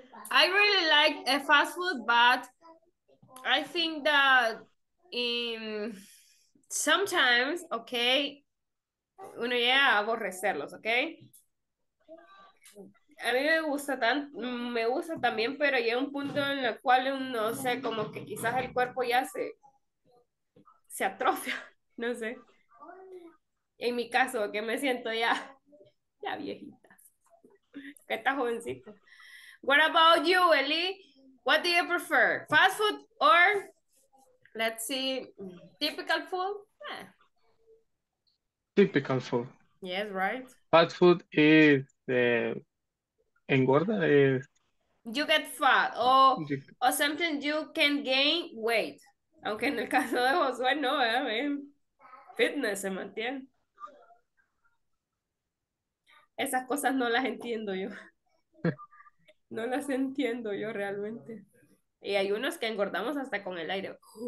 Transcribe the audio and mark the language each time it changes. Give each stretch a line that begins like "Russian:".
English: I really like a fast food, but I think that in sometimes, okay,
Spanish: uno llega a aborrecerlos,
English: okay?
Spanish: A mí me gusta también, pero llega un punto en el cual no sé, como que quizás el cuerpo ya se atrofia, no sé. En mi caso, que me siento ya viejita. Que está jovencita.
English: What about you, Eli? What do you prefer? Fast food or, let's see, typical food? Typical food. Yes, right. Fast food is engorda is. You get fat or something you can gain weight.
Spanish: Aunque en el caso de Josué no, fitness se mantiene. Esas cosas no las entiendo yo. No las entiendo yo realmente. Y hay unos que engordamos hasta con el aire.